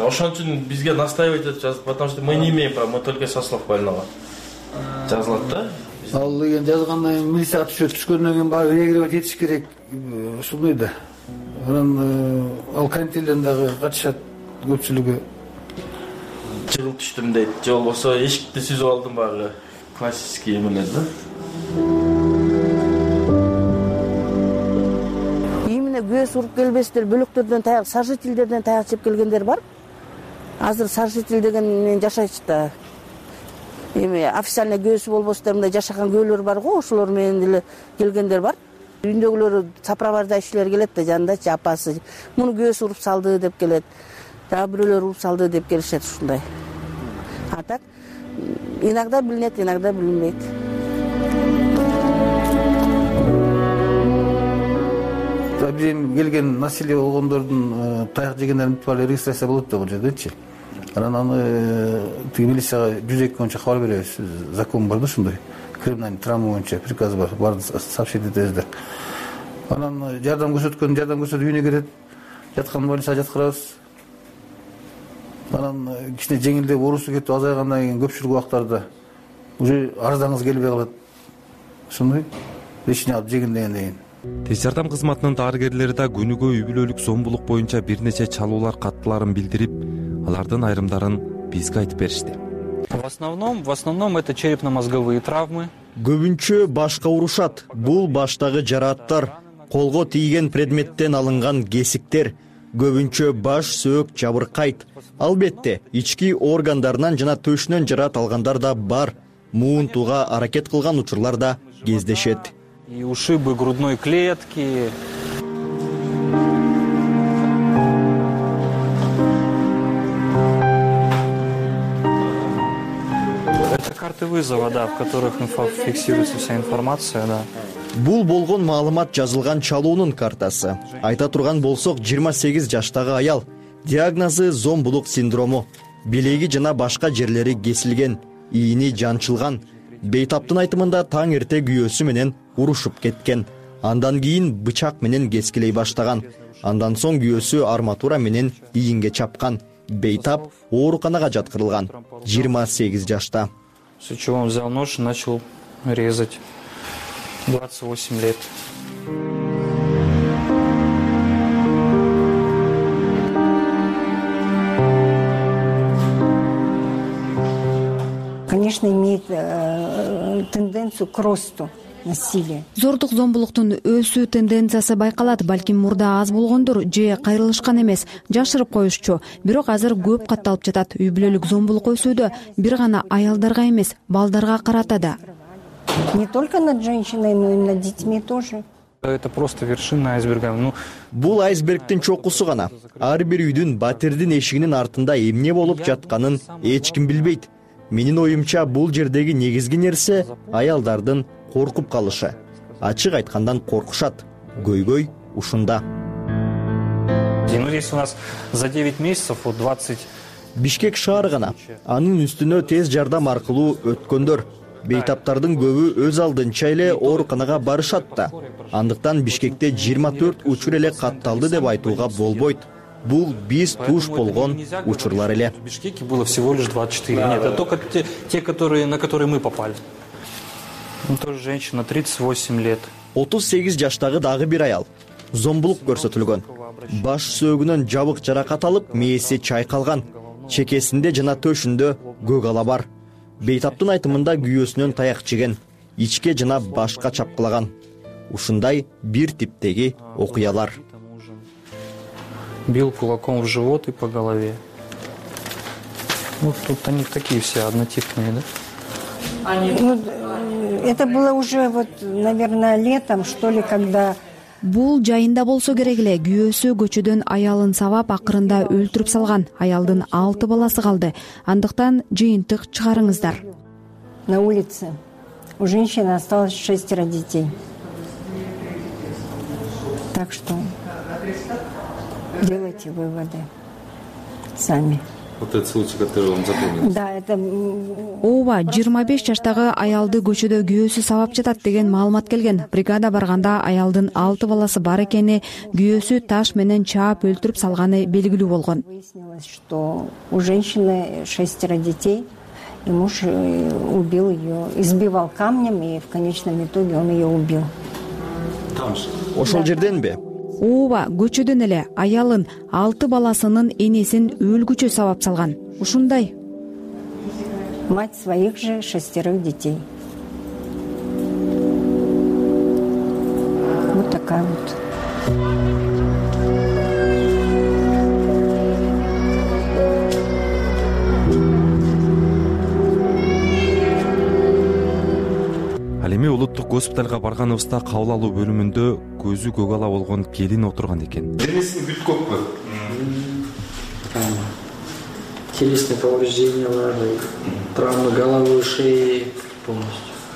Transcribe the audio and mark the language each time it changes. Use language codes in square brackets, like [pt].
[ky] Ошон үчүн бизге настаивать этип жазып, [ru] потому что мы не имеем права, мы только со слов больного. [ky] Жазылат да. Ал деген жазгандан кийин милиция атып түшкөндөн кийин баары эгерге жетиш керек. Ушундай да. Анан ал кантелден дагы катышат көпчүлүгү. Жыгылып түштүм дейт, же болбосо эшикти сүзүп алдым баягы классический эмелер да. Күйөөсү уруп келбестер, бөлөктөрдөн таяк, сожительдерден таяк жеп келгендер бар. Азыр сожитель деген менен жашайчу да. Эми официальный күйөөсү болбосо мындай жашаган күйөөлөр бар го, ошолор менен деле келгендер бар. Үйүндөгүлөрү сопровождающийлер келет да жанындачы апасы. Муну күйөөсү уруп салды деп келет. Дагы бирөөлөр уруп салды деп келишет ушундай. [ru] А так иногда [ky] билинет, иногда билинбейт. Бир эми келген насилие болгондордун таяк жегендердин тууралуу регистрация болот да бул жердечи. Анан аны тиги милицияга 102 боюнча кабар беребиз. Закон бар да ушундай. Криминальный травма боюнча приказ бар, баарын сообщить этебиздер. Анан жардам көрсөткөн жардам көрсөтүп үйүнө кирет, жаткан больницага жаткырабыз. Анан кичине жеңилдеп оорусу кетип азайгандан кийин көпчүлүк убактарда уже арызданыңыз келбей калат. Ушундай лечение алып жегендегенден кийин. Тез жардам кызматынын дарыгерлери да күнүгө үй бүлөлүк зомбулук боюнча бир нече чалуулар каттыларын билдирип, алардын айрымдарын бизге айтып беришти. [ru] В основном это черепно-мозговые травмы. [ky] Көбүнчө башка урушат. Бул баштагы жараттар, колго тийген предметтен алынган кесиктер, көбүнчө баш сөөк жабыркайт. Албетте, ички органдарынан жана төшүнөн жарат алгандар да бар. Муунтуга аракет кылган учурлар да кездешет. [ru] И ушибы грудной клетки. Это карты вызова, да, в которых фиксируется вся информация, да. [ky] Бул болгон маалымат жазылган чалуунун картасы. Айта турган болсок, 28 жаштагы аял. Диагнозу зомбулук синдрому. Билеги жана башка жерлери кесилген, ийни жанчылган. Бейтаптын айтымында таң эрте күйөөсү менен урушуп кеткен. Андан кийин бычак менен кескилей баштаган. Андан соң күйөөсү арматура менен ийинге чапкан. Бейтап ооруканага жаткырылган. 28 жашта. [ru] Сучевом взял нож и начал резать. 28 лет. Конечно, имеет тенденцию к росту насилия. [ky] Зордук зомбулуктун өсүү тенденциясы байкалат, балким мурда аз болгондур же кайрылышкан эмес, жашырып коюшчу. Бирок азыр көп катталып жатат. Үй бүлөлүк зомбулук өсүүдө бир гана аялдарга эмес, балдарга карата да. [ru] Не только над женщиной, но и над детьми тоже. Это просто вершина айсберга. [ky] Бул айсбергтин чокусу гана. Ар бир үйдүн батирдин эшигинин артында эмне болуп жатканын эч ким билбейт. Менин оюмча бул жердеги негизги нерсе аялдардын коркуп калышы. Ачык айткандан коркушат. Көйгөй ушунда. [ru] Здесь у нас за 9 месяцев 20 [ky] Бишкек шаары гана. Анын үстүнө тез жардам аркылуу өткөндөр. Бейтаптардын көбү өз алдынча эле ооруканага барышат да. Андыктан Бишкекте 24 учур эле катталды деп айтууга болбойт. Бул биз туш болгон учурлар эле. [ru] В Бишкеке было всего лишь 24. Нет, это только те, которые, на которые мы попали. Тоже женщина 38 лет. [ky] 38 жаштагы дагы бир аял. Зомбулук көрсөтүлгөн. Баш сөөгүнөн жабык жаракат алып, мээси чайкалган. Чекесинде жана төшүндө көк ала бар. Бейтаптын айтымында күйөөсүнөн таяк жеген, ичке жана башка чапкылаган. Ушундай бир типтеги окуялар. [ru] Бил кулаком в живот и по голове. Вот тут они такие все однотипные, да? Это было уже вот, наверное, летом, что ли, когда. [ky] Бул жайында болсо керек эле күйөөсү көчөдөн аялын сабап акырында өлтүрүп салган. Аялдын 6 баласы калды. Андыктан жыйынтык чыгарыңыздар. [ru] На улице у женщины осталось 6 детей. Так что делайте выводы сами. Вот этот случай, который вам запомнился. Да, это. [ky] Ооба, 25 жаштагы аялды көчөдө күйөөсү сабап жатат деген маалымат келген. Бригада барганда аялдын 6 баласы бар экени, күйөөсү таш менен чаап өлтүрүп салганы белгилүү болгон. [ru] Выяснилось, что у женщины 6 детей, и муж убил ее, избивал камнем, и в конечном итоге он ее убил. Там же. [ky] Ошол жерденби? Ооба, көчөдөн эле аялын 6 баласынын энесин өлгүчө сабап салган. Ушундай. [ru] Мать своих же 6 детей. Вот такая вот. [ky] Эми улуттук госпиталга барганыбызда кабыл алуу бөлүмүндө көзү көк ала болгон келин отурган экен. Денесин бүт көккө. [ru] Телесные повреждения, травмы головы, шеи полностью.